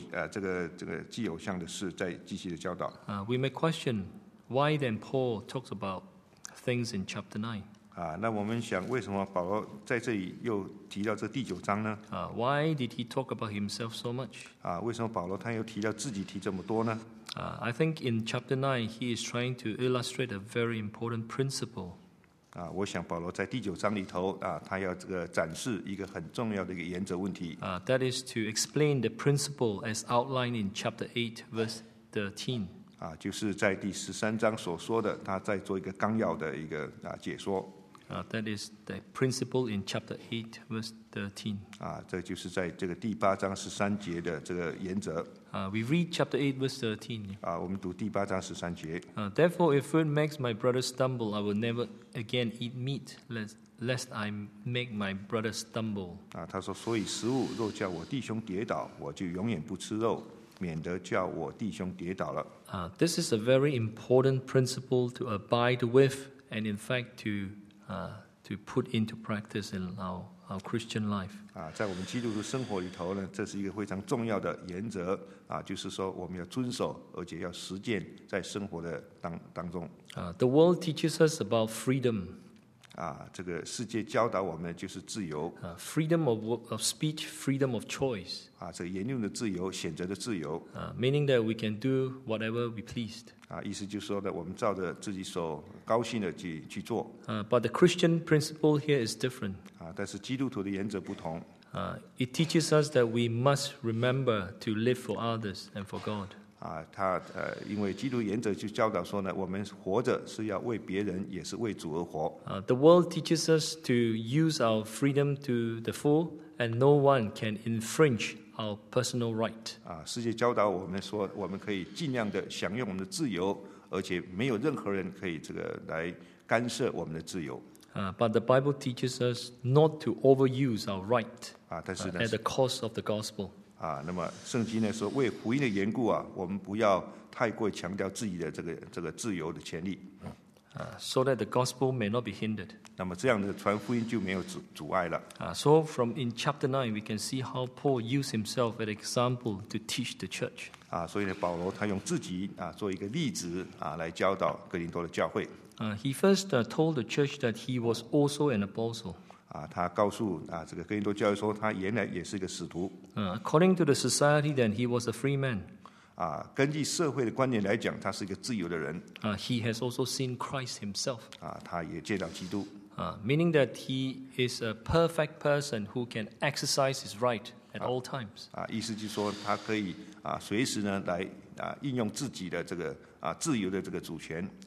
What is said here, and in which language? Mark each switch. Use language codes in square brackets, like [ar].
[zh] 这个祭偶像的事在继续的教导。 [en] We may question why then Paul talks about things in chapter 9. [zh] 那我们想为什么保罗在这里又提到这第九章呢？ [en] Why did he talk about himself so much? [zh] 为什么保罗他又提到自己提这么多呢？ [en] I think in chapter 9, he is trying to illustrate a very important principle. [zh] 我想保罗在第九章里头他要这个展示一个很重要的一个原则问题。 [en] That is to explain the principle as outlined in chapter 8, verse 13. [zh] 就是在第十三章所说的，他在做一个纲要的一个解说。 [en] That is the principle in chapter 8, verse 13. [zh] 这就是在这个第八章十三节的这个原则。 [en] We read chapter 8, verse 13. [zh] 我们读第八章十三节。 [en] Therefore, if food makes my brother stumble, I will never again eat meat, lest I make my brother stumble. [zh] 他说，所以食物若叫我弟兄跌倒，我就永远不吃肉。免得叫我弟兄跌倒了。 [en] This is a very important principle to abide with, and in fact to put into practice in our Christian life. [zh] 在我们基督徒生活里头呢，这是一个非常重要的原则啊，就是说我们要遵守，而且要实践在生活的当中。 [en] The world teaches us about freedom. [zh] 这个世界教导我们就是自由。 [en] Freedom of speech, freedom of choice. [zh] 这个言论的自由，选择的自由。 [en] Meaning that we can do whatever we pleased. [zh] 意思就是说呢，我们照着自己所高兴的去做。 [en] But the Christian principle here is different. [zh] 但是基督徒的原则不同。 [en] It teaches us that we must remember to live for others and for God. [zh] 因为基督原则就教导说呢，我们活着是要为别人，也是为主而活。 [en] The world teaches us to use our freedom to the full, and no one can infringe. Our personal right. [zh] 世界教导我们说，我们可以尽量的享用我们的自由，而且没有任何人可以这个来干涉我们的自由。 [en] But the Bible teaches us not to overuse our right. [zh] 但是呢， [en] at the cost of the gospel. [zh] 那么圣经呢说，为福音的缘故啊，我们不要太过强调自己的这个自由的权利。 [en] So that the gospel may not be hindered. [zh] 那么这样的传福音就没有阻碍了。 [en] So from in chapter 9, we can see how Paul used himself as an example to teach the church. [zh] 所以呢，保罗他用自己做一个例子来教导哥林多的教会。 [en] He first told the church that he was also an apostle. [zh] 他告诉这个哥林多教会说，他原来也是一个使徒。 [en] According to the society, then he was a free man. [zh] 根据社会的观念来讲，他是一个自由的人。 [en] He has also seen Christ himself. [zh] 他也见到基督。 [en] Meaning that he is a perfect person who can exercise his right at all times. [zh] 意思就是说，他可以随时呢来应用自己的这个自由的这个主权。